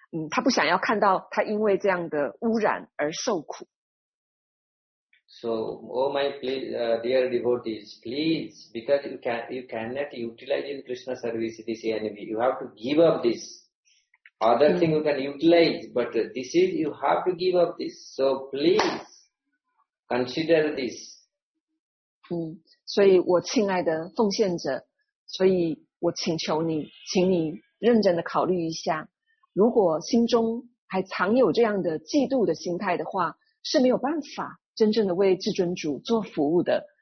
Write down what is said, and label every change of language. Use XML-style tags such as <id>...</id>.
<zh>他不想要看到他因为这样的污染而受苦。</zh> <en>So, oh my please, dear devotees, please, because you cannot utilize in Krishna service this enemy, you have to give up this. Other thing you can utilize, but this is, you have to give up this. So please consider this.</en> <zh>所以我亲爱的奉献者，所以我请求你，请你认真的考虑一下，如果心中还藏有这样的嫉妒的心态的话，是没有办法真正的为至尊主做服务的。</zh>